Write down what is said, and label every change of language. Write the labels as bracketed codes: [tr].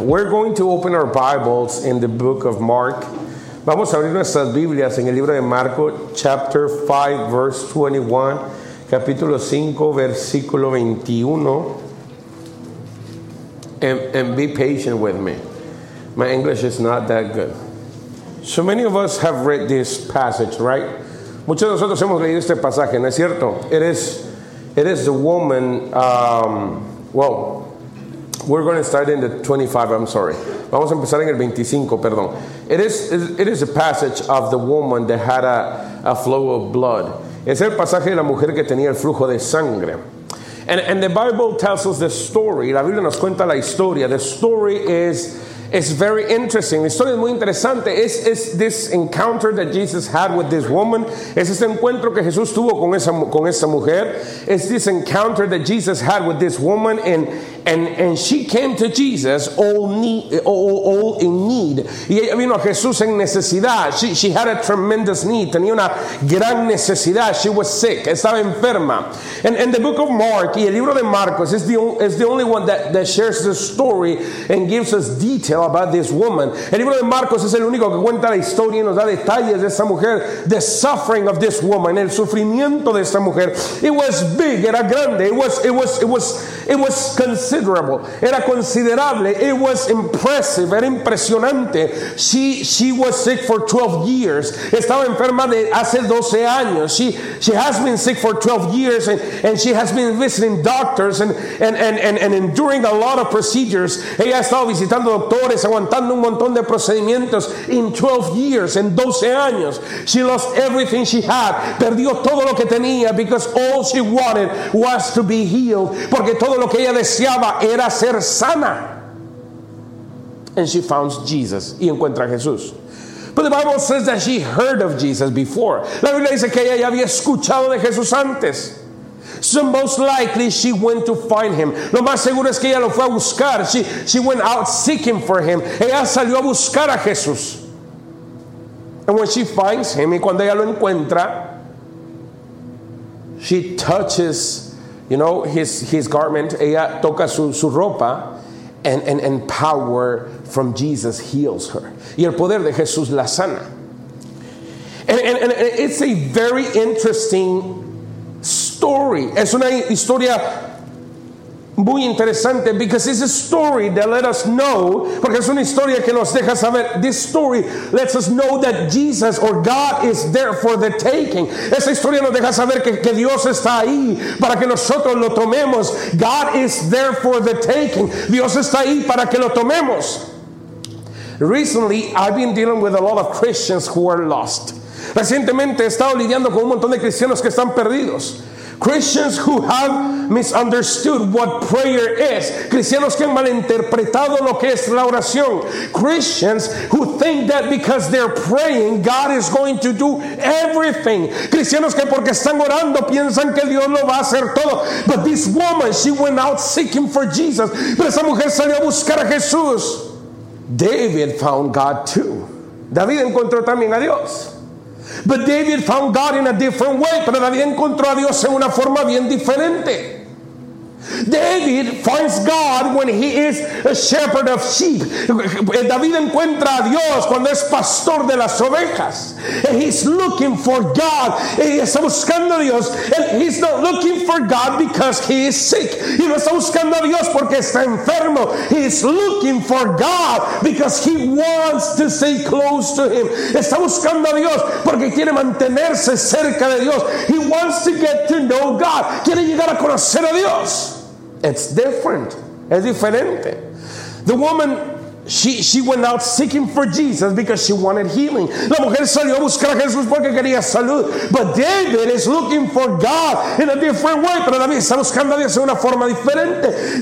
[en] We're going to open our Bibles in the book of Mark. [es] Vamos a abrir nuestras Biblias en el libro de Marco, [en] chapter 5, verse 21, [es] capítulo 5, versículo 21. [en] And be patient with me. My English is not that good. So many of us have read this passage, right? [es] Muchos de nosotros hemos leído este pasaje, ¿no es cierto? [en] It is the woman, we're going to start in the 25, I'm sorry. [es] Vamos a empezar en el 25, perdón. [en] It is a passage of the woman that had a flow of blood. [es] Es el pasaje de la mujer que tenía el flujo de sangre. [en] And the Bible tells us the story. [es] La Biblia nos cuenta la historia. [en] The story is very interesting. [es] La historia es muy interesante. [en] Es this encounter that Jesus had with this woman. [es] Es ese encuentro que Jesús tuvo con esa mujer. [en] It's this encounter that Jesus had with this woman. And she came to Jesus all in need. [es] Y ella vino a Jesús en necesidad. [en] She had a tremendous need. [es] Tenía una gran necesidad. [en] She was sick. [es] Estaba enferma. [en] And the book of Mark, [es] y el libro de Marcos, [en] is the only one that shares the story and gives us detail about this woman. [es] El libro de Marcos es el único que cuenta la historia y nos da detalles de esa mujer. [en] The suffering of this woman. [es] El sufrimiento de esa mujer. [en] It was big. [es] Era grande. [en] It was considerable. [es] Era considerable. [en] It was impressive. [es] Era impresionante. [en] She was sick for 12 years. [es] Estaba enferma de hace 12 años. [en] She has been sick for 12 years and she has been visiting doctors and enduring a lot of procedures. [es] Ella estaba visitando doctores, aguantando un montón de procedimientos [en] in 12 years, [es] en 12 años. [en] She lost everything she had. [es] Perdió todo lo que tenía [en] because all she wanted was to be healed. [es] Porque todo lo que ella deseaba era ser sana. [en] And she found Jesus. [es] Y encuentra a Jesús. [en] But the Bible says that she heard of Jesus before. [es] La Biblia dice que ella ya había escuchado de Jesús antes. [en] So most likely she went to find him. [es] Lo más seguro es que ella lo fue a buscar. [en] She went out seeking for him. [es] Ella salió a buscar a Jesús. [en] And when she finds him, [es] y cuando ella lo encuentra, [en] she touches, you know, his garment. [es] Ella toca su ropa, [en] and power from Jesus heals her. [es] Y el poder de Jesús la sana. [en] And it's a very interesting story. [es] Es una historia muy interesante, [en] because it's a story that let us know, [es] porque es una historia que nos deja saber, [en] this story lets us know that Jesus or God is there for the taking. [es] Esa historia nos deja saber que Dios está ahí para que nosotros lo tomemos. [en] God is there for the taking. [es] Dios está ahí para que lo tomemos. [en] Recently, I've been dealing with a lot of Christians who are lost. [es] Recientemente he estado lidiando con un montón de cristianos que están perdidos. [en] Christians who have misunderstood what prayer is. [es] Cristianos que han malinterpretado lo que es la oración. [en] Christians who think that because they're praying, God is going to do everything. [es] Cristianos que porque están orando piensan que Dios lo va a hacer todo. [en] But this woman, she went out seeking for Jesus. [es] Pero esa mujer salió a buscar a Jesús. [en] David found God too. [es] David encontró también a Dios. [en] But David found God in a different way. [es] Pero David encontró a Dios en una forma bien diferente. [en] David finds God when he is a shepherd of sheep. [es] David encuentra a Dios cuando es pastor de las ovejas. [en] And he's looking for God. [es] Y está buscando a Dios. [en] And he's not looking for God because he is sick. [es] Y no está buscando a Dios porque está enfermo. [en] He's looking for God because he wants to stay close to him. [es] Está buscando a Dios porque quiere mantenerse cerca de Dios. [en] He wants to get to know God. [es] Quiere llegar a conocer a Dios. [en] It's different. [es] Es diferente. [en] The woman, she went out seeking for Jesus because she wanted healing. [es] La mujer salió a buscar a Jesús porque quería salud. [en] But David is looking for God in a different way. [es] Pero David está buscando a Dios en una forma diferente.